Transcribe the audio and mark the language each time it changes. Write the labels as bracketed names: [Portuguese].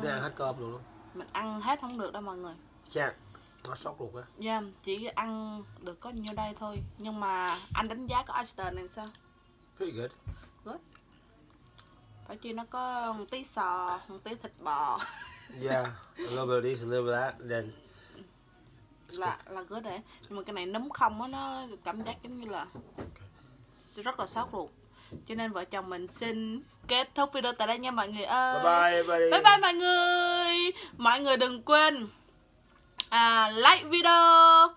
[Vietnamese] chỉ ăn hết cơm luôn. Mình ăn hết không được đâu mọi người. Chà. Nó sốc ruột á. Dạ, yeah, chỉ ăn được có nhiêu đây thôi. Nhưng mà anh đánh giá cái oyster này sao? [English] Pretty good. Good. [Vietnamese] Phải chứ nó có một tí sò, một tí thịt bò. [English] Yeah, a little bit of this, a little bit of that, then [Vietnamese] là good đấy. Nhưng mà cái này nấm không á, nó cảm giác giống như là rất là sốc ruột. Cho nên vợ chồng mình xin kết thúc video tại đây nha mọi người ơi. [English] Bye bye everybody. [Vietnamese] Bye bye mọi người. Mọi người đừng quên like video,